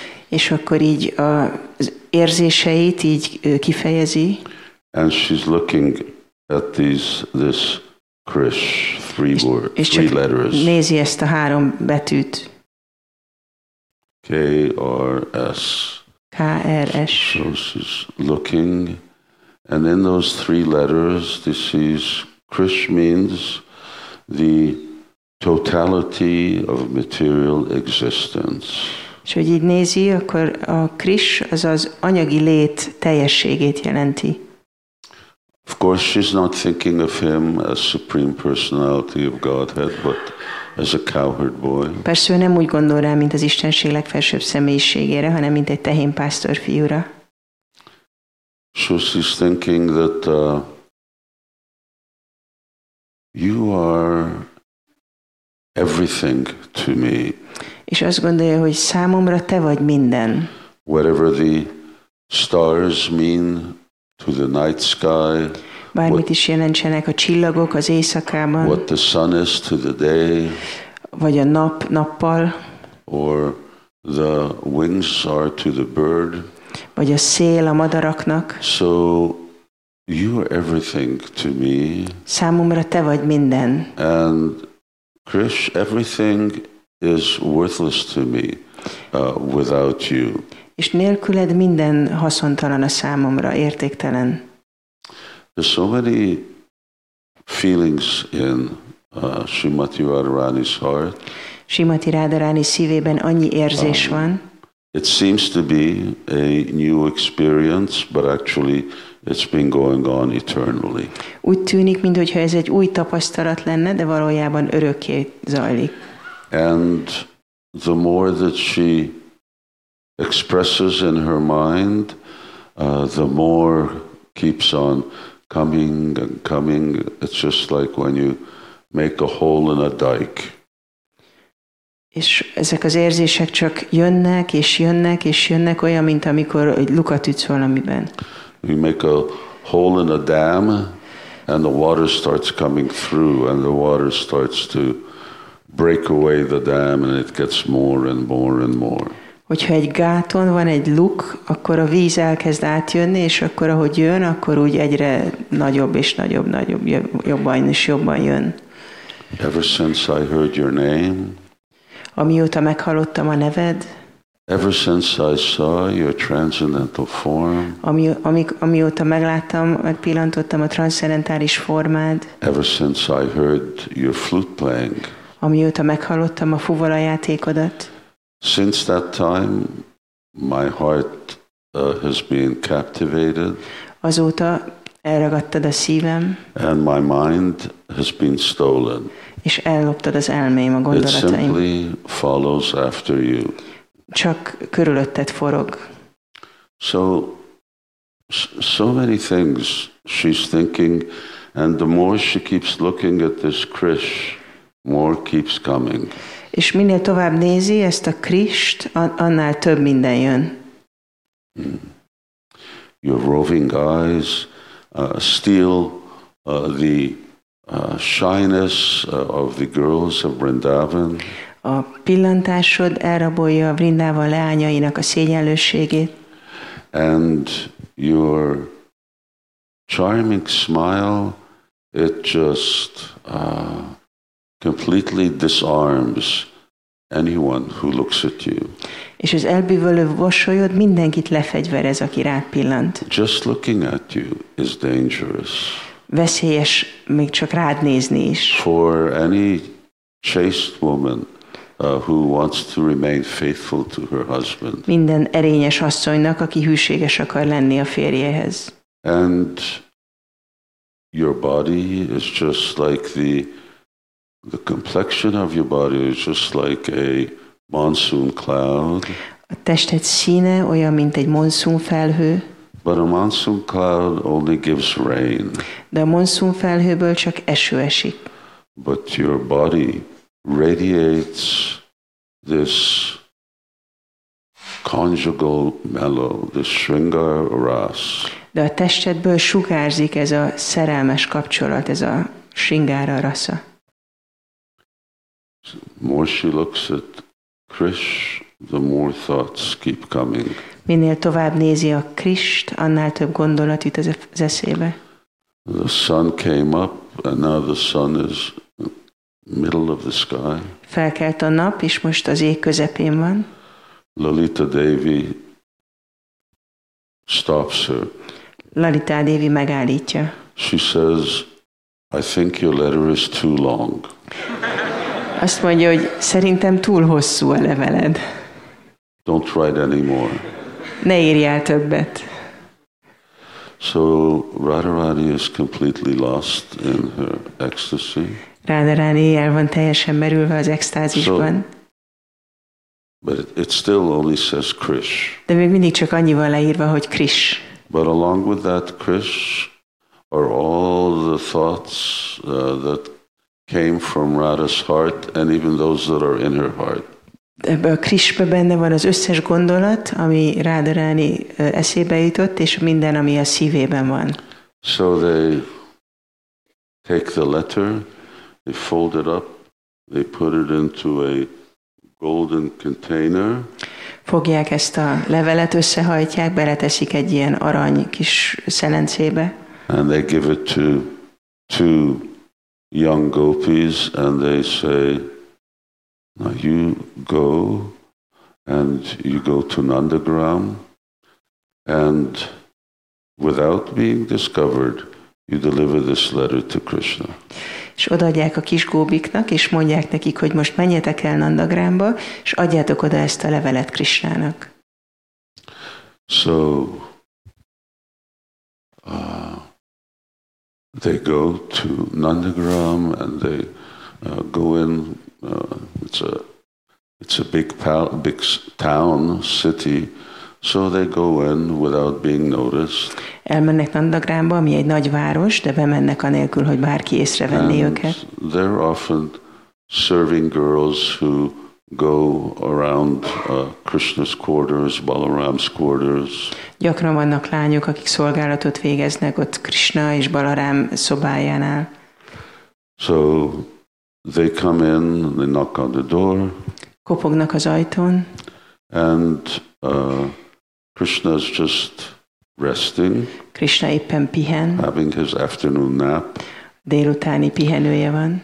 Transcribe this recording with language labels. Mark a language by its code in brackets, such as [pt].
[hu] És akkor így az érzéseit így kifejezi. [en] And she's looking at this Krish three letters. [hu] És nézi ezt a három betűt. [en] K-R-S. [hu] K-R-S. [en] So she's looking, and in those three letters, this is Krish means the totality of material existence. [hu] És hogy így nézi, akkor a Krish az az anyagi lét teljességét jelenti. [en] Of course, she's not thinking of him as supreme personality of Godhead, but as a cowherd boy. [hu] Persze ő nem úgy gondol rá, mint az Istenség legfelsőbb személyiségére, hanem mint egy tehén pásztor fiúra. [en] So she's thinking that you are everything to me. [hu] És azt gondolja, hogy számomra te vagy minden. [en] Whatever the stars mean to the night sky. [hu] Bármit is jelentsenek a csillagok az éjszakában. [en] What the sun is to the day. [hu] Vagy a nap nappal. [en] Or the wings are to the bird. [hu] Vagy a szél a madaraknak. [en] So you are everything to me. [hu] Számomra te vagy minden. [en] And Krish, everything is worthless to me without you. [hu] És nélküled minden haszontalan a számomra, értéktelen. [en] There's so many feelings in Srimati Radharani's heart. [hu] Srimati Radharani szívében annyi érzés van. [en] It seems to be a new experience, but actually it's been going on eternally. [hu] Úgy tűnik, mintha ez egy új tapasztalat lenne, de valójában örökké zajlik. [en] And the more that she expresses in her mind, the more keeps on coming and coming. It's just like when you make a hole in a dike. [hu] És ezek az érzések csak jönnek és jönnek és jönnek, olyan, mint amikor egy lukat ütsz valamiben. [en] You make a hole in a dam, and the water starts coming through, and the water starts to break away the dam, and it gets more and more and more. [hu] Hogyha egy gáton van egy luk, akkor a víz elkezd átjönni, és akkor ahogy jön, akkor úgy egyre nagyobb és nagyobb, nagyobb, jobban és jobban jön. [en] Ever since I heard your name, [hu] amióta meghallottam a neved, [en] ever since I saw your transcendental form, [hu] amióta megláttam, megpillantottam a transzcendentális formád, [en] ever since I heard your flute playing, [hu] amióta meghallottam a fuvola játékodat, [en] since that time my heart has been captivated, [hu] azóta elragadtad a szívem, [en] and my mind has been stolen, [hu] és elloptad az elmém, a gondolataim. [en] It simply follows after you. [hu] Csak körülötted forog. [en] So many things she's thinking, and the more she keeps looking at this Krish, more keeps coming. [hu] És minél tovább nézi ezt a Krist, annál több minden jön. [en] Your roving eyes steal the shyness of the girls of Vrindavan. [hu] A pillantásod elrabolja a Vrindavan leányainak a szégyenlőségét. [en] And your charming smile, it just completely disarms anyone who looks at you. [hu] És az elbűvölő mosolyod mindenkit lefegyverez, aki rád pillant. [en] Just looking at you is dangerous. [hu] Veszélyes még csak rád nézni is. [en] For any chaste woman who wants to remain faithful to her husband. [hu] Minden erényes asszonynak, aki hűséges akar lenni a férjéhez. [en] And your body is just like the complexion of your body is just like a monsoon cloud. [hu] A tested színe olyan, mint egy monsoon felhő. [en] But a monsoon cloud only gives rain. [hu] De a monsoon felhőből csak eső esik. [en] But your body radiates this conjugal mellow, this shringar ras. [hu] De a testedből sugárzik ez a szerelmes kapcsolat, ez a shringara rasa. [en] More she looks at Krish, the more thoughts keep coming. [hu] Minél tovább nézi a Krist, annál több gondolat jut az eszébe. [en] The sun came up, and now the sun is middle of the sky. [hu] Felkelt a nap, és most az ég közepén van. [en] Lalita Devi stops her. [hu] Lalita Devi megállítja. [en] She says, I think your letter is too long. [hu] Azt mondja, hogy szerintem túl hosszú a leveled. [en] Don't write anymore. [hu] Ne írjál többet. [en] So Radharani is completely lost in her ecstasy. [hu] Radharani el van teljesen merülve az extázisban. [en] But it still only says Krish. [hu] De még mindig csak annyival leírva, hogy Krish. [en] But along with that Krish are all the thoughts that came from Radha's heart and even those that are in her heart. [hu] Ebbe a Krishbe benne van az összes gondolat, ami Radharani eszébe jutott, és minden, ami a szívében van. [en] So they take the letter, they fold it up, they put it into a golden container. [hu] Fogják ezt a levelet, összehajtják, beleteszik egy ilyen arany kis szelencébe. [en] And they give it to two young gopis, and they say, now you go, and you go to Nandagram, and without being discovered, you deliver this letter to Krishna. [hu] És odaadják a kis góbiknak, és mondják nekik, hogy most menjetek el Nandagramba, és adjátok oda ezt a levelet Krishnának. [en] So, they go to Nandagram, and they go in, it's a It's a big town, city, so they go in without being noticed. [hu] Elmennek Nandagrámba, ami egy nagy város, de bemennek anélkül, hogy bárki észrevenné őket. [en] They're often serving girls who go around Krishna's quarters, Balaram's quarters. [hu] Gyakran vannak lányok, akik szolgálatot végeznek ott Krishna és Balaram szobájánál. [en] So they come in, they knock on the door. [hu] Kopognak az ajtón. [en] And Krishna's just resting. [hu] Krishna éppen pihen. [en] Having his afternoon nap. [hu] Délutáni pihenője van.